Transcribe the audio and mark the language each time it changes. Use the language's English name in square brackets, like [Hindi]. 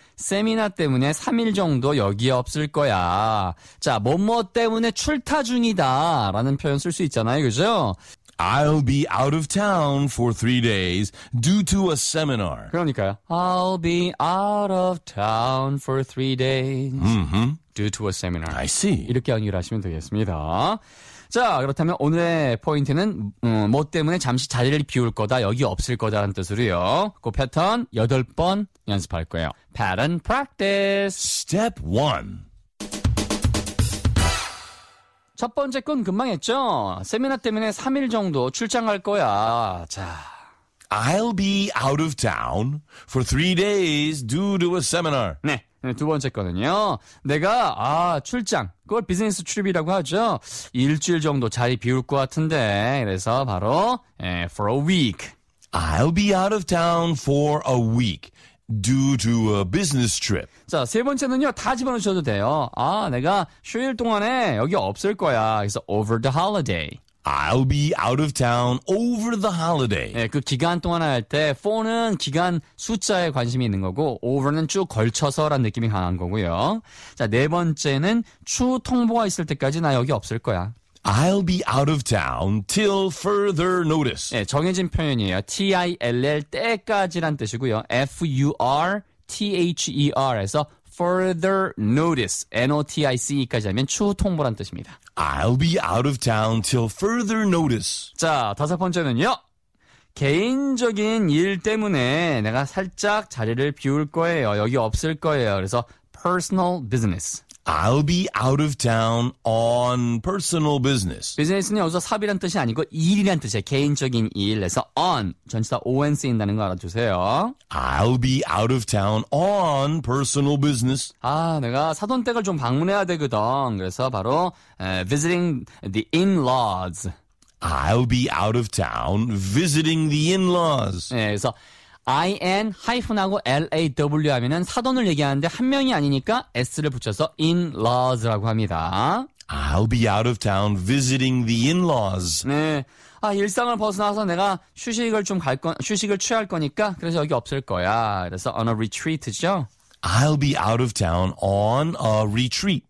[Korean] 세미나 때문에 3일 정도 여기 없을 거야. 자, 뭐뭐 때문에 출타 중이다 라는 표현 쓸 수 있잖아요. 그죠? [English] I'll be out of town for 3 days due to a seminar. [Korean] 그러니까요. [English] I'll be out of town for 3 days due to a seminar. I see. [Korean] 이렇게 연결 하시면 되겠습니다. 자, 그렇다면 오늘의 포인트는 뭐 때문에 잠시 자리를 비울 거다, 여기 없을 거다라는 뜻으로요. 그 패턴 8번 연습할 거예요. [English] Pattern practice. Step 1. [Korean] 첫 번째 건 금방 했죠? 세미나 때문에 3일 정도 출장 갈 거야. 자, [English] I'll be out of town for 3 days due to a seminar. [Korean] 네. 두 번째 거는요. 내가 출장, 그걸 비즈니스 트립이라고 하죠. 일주일 정도 자리 비울 것 같은데. 그래서 바로 [English] for a week. I'll be out of town for a week due to a business trip. [Korean] 자, 세 번째는요. 다 집어넣으셔도 돼요. 아, 내가 휴일 동안에 여기 없을 거야. 그래서 [English] over the holiday. I'll be out of town over the holiday. [Korean] 네, 그 기간 동안 할 때 for는 기간 숫자에 관심이 있는 거고 over는 쭉 걸쳐서라는 느낌이 강한 거고요. 자, 네 번째는 추후 통보가 있을 때까지 나 여기 없을 거야. [English] I'll be out of town till further notice. [Korean] 네, 정해진 표현이에요. T-I-L-L 때까지란 뜻이고요. F-U-R-T-H-E-R에서 further notice, N-O-T-I-C-E까지 하면 추후 통보란 뜻입니다. [English] I'll be out of town till further notice. [Korean] 자, 다섯 번째는요. 개인적인 일 때문에 내가 살짝 자리를 비울 거예요. 여기 없을 거예요. 그래서 [English] personal business. I'll be out of town on personal business. [Korean] Business는 여기서 사업이란 뜻이 아니고 일이란 뜻이에요. 개인적인 일. 그래서 on, 전치사 on 쓰인다는 거 알아주세요. [English] I'll be out of town on personal business. [Korean] 아, 내가 사돈댁을 좀 방문해야 되거든. 그래서 바로 [English] visiting the in-laws. I'll be out of town visiting the in-laws. [Korean] 네, 그래서 IN-하고 LAW 하면은 사돈을 얘기하는데 한 명이 아니니까 S를 붙여서 in-laws라고 합니다. [English] I'll be out of town visiting the in-laws. [Korean] 네. 아, 일상을 벗어나서 내가 휴식을 좀 갈 거, 휴식을 취할 거니까 그래서 여기 없을 거야. 그래서 [English] on a retreat죠. I'll be out of town on a retreat.